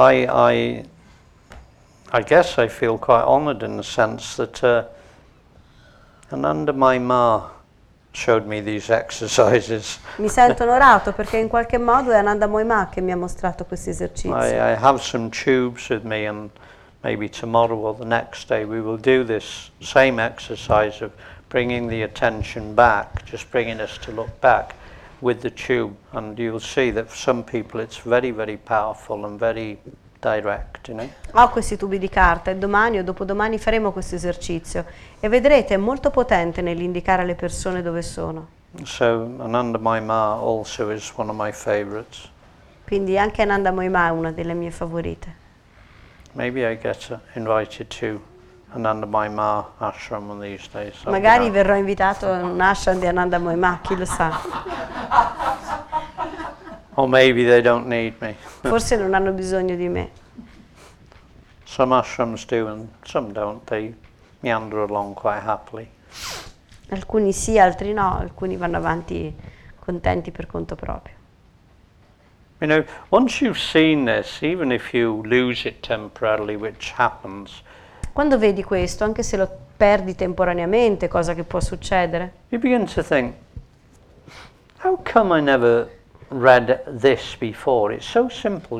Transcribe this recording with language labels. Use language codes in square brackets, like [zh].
[en] I guess I feel quite honored in the sense that Ananda my Ma showed me these exercises. [it] Mi sento onorato perché in qualche modo è Ananda my Ma che mi ha mostrato questi esercizi. [en] I have some tubes with me and maybe tomorrow or the next day we will do this same exercise of bringing the attention back, just bringing us to look back. with the tube, and you'll see that for some people it's very, very powerful and very direct, you know? [it] Ho questi tubi di carta e domani o dopodomani faremo questo esercizio e vedrete, è molto potente nell'indicare alle persone dove sono. [en] So, Ananda Mahima also is one of my favorites. [it] Quindi anche Ananda Mahima è una delle mie favorite. [en] Maybe I get invited to Ananda Mahima ashram one these days. So [it] magari verrò invitato a un ashram di Ananda Mahima, chi lo sa. [en] Or maybe they don't need me. [it] Forse non hanno bisogno di me. [en] Some ashrams do and some don't. They meander along quite happily. [it] Alcuni sì, altri no. Alcuni vanno avanti contenti per conto proprio. [en] You know, once you've seen this, even if you lose it temporarily, which happens. [it] Quando vedi questo, anche se lo perdi temporaneamente, cosa che può succedere? [en] You begin to think, how come I never read this before? It's so simple.